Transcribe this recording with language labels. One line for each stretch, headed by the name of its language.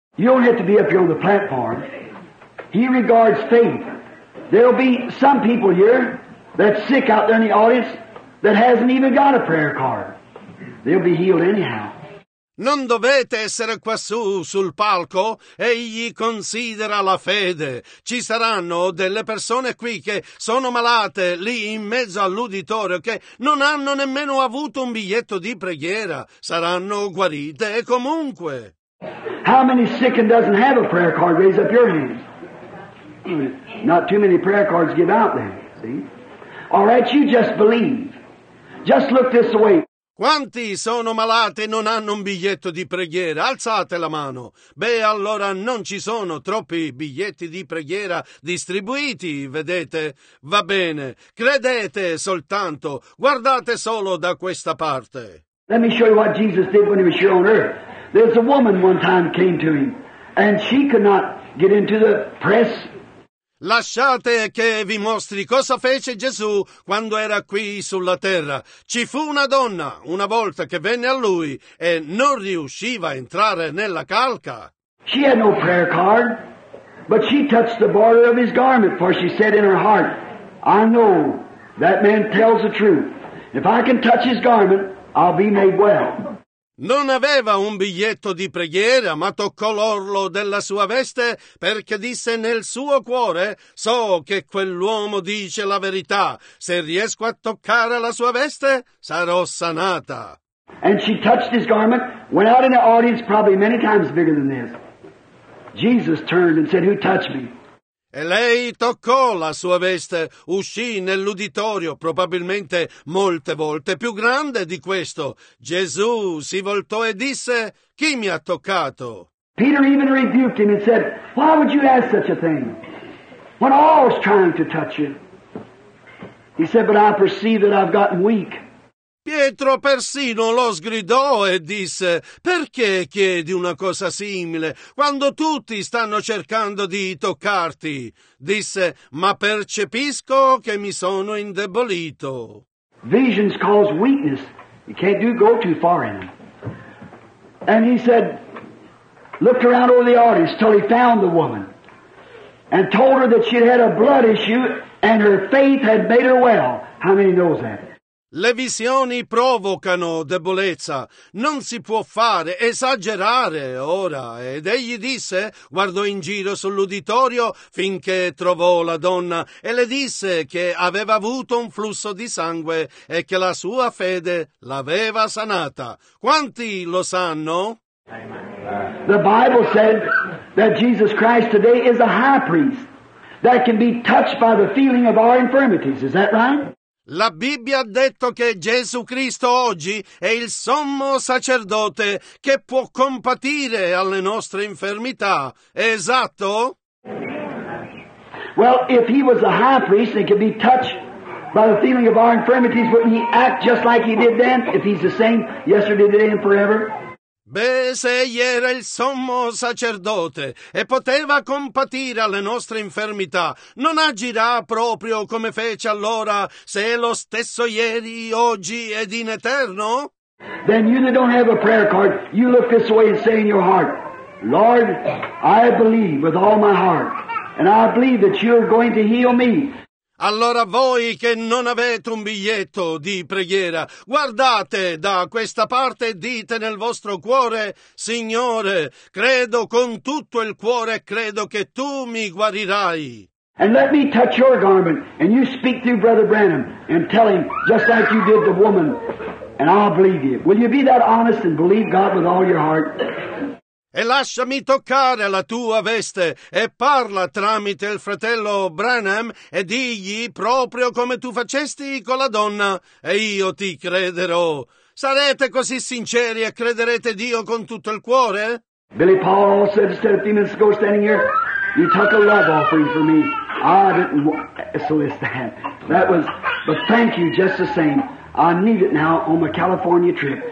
English: You don't have to be up here on the platform. He regards faith. There'll be some people here that's sick out there in the audience that hasn't even got a prayer card. They'll be healed anyhow.
Italian: Non dovete essere quassù sul palco. Egli considera la fede. Ci saranno delle persone qui che sono malate lì in mezzo all'uditorio che non hanno nemmeno avuto un biglietto di preghiera. Saranno guarite comunque.
English: How many sick and doesn't have a prayer card? Raise up your hands. Not too many prayer cards give out then, see? All right, you just believe. Just look this way.
Italian: Quanti sono malati e non hanno un biglietto di preghiera? Alzate la mano. Beh, allora non ci sono troppi biglietti di preghiera distribuiti, vedete? Va bene, credete soltanto, guardate solo da questa parte.
English: Let me show you what Jesus did when he was here on earth. There's a woman one time came to him, and she could not get into the press.
Italian: Lasciate che vi mostri cosa fece Gesù quando era qui sulla terra. Ci fu una donna una volta che venne a lui e non riusciva a entrare nella calca.
English: She had no prayer card, but she touched the border of his garment, for she said in her heart, I know that man tells the truth. If I can touch his garment, I'll be made well.
Italian: Non aveva un biglietto di preghiera, ma toccò l'orlo della sua veste perché disse nel suo cuore, so che quell'uomo dice la verità, se riesco a toccare la sua veste, sarò sanata.
English: And she touched his garment, went out in the audience probably many times bigger than this. Jesus turned and said, who touched me?
Italian: E lei toccò la sua veste, uscì nell'uditorio, probabilmente molte volte più grande di questo. Gesù si voltò e disse, chi mi ha toccato?
English: Peter even rebuked him and said, why would you ask such a thing? When all is trying to touch you. He said, but I perceive that I've gotten weak.
Italian: Pietro persino lo sgridò e disse, perché chiedi una cosa simile quando tutti stanno cercando di toccarti? Disse, ma percepisco che mi sono indebolito.
English: Visions cause weakness. You can't do go too far in them. And he said, looked around over the audience till he found the woman and told her that she had a blood issue and her faith had made her well. How many knows that?
Italian: Le visioni provocano debolezza. Non si può fare, esagerare ora. Ed egli disse, guardò in giro sull'uditorio finché trovò la donna e le disse che aveva avuto un flusso di sangue e che la sua fede l'aveva sanata. Quanti lo sanno?
English: The Bible said that Jesus Christ today is a high priest that can be touched by the feeling of our infirmities. Is that right?
Italian: La Bibbia ha detto che Gesù Cristo oggi è il sommo sacerdote che può compatire alle nostre infermità. È esatto?
English: Well, if he was a high priest and could be touched by the feeling of our infirmities, wouldn't he act just like he did then? If he's the same yesterday, today, and forever?
Italian: Beh, se egli era il sommo sacerdote e poteva compatire alle nostre infermità, non agirà proprio come fece allora, se è lo stesso ieri, oggi ed in eterno?
English: Then you that don't have a prayer card, you look this way and say in your heart, Lord, I believe with all my heart, and I believe that you're going to heal me.
Italian: Allora voi che non avete un biglietto di preghiera, guardate da questa parte e dite nel vostro cuore, Signore, credo con tutto il cuore, credo che tu mi guarirai.
English: And let me touch your garment, and you speak through Brother Branham, and tell him, just like you did the woman, and I'll believe you. Will you be that honest and believe God with all your heart?
Italian: E lasciami toccare la tua veste e parla tramite il fratello Branham e digli proprio come tu facesti con la donna e io ti crederò. Sarete così sinceri e crederete Dio con tutto il cuore?
English: Billy Paul said just a few minutes ago standing here, you took a love offering for me. I didn't want to solicit that. That was, but thank you just the same. I need it now on my California trip.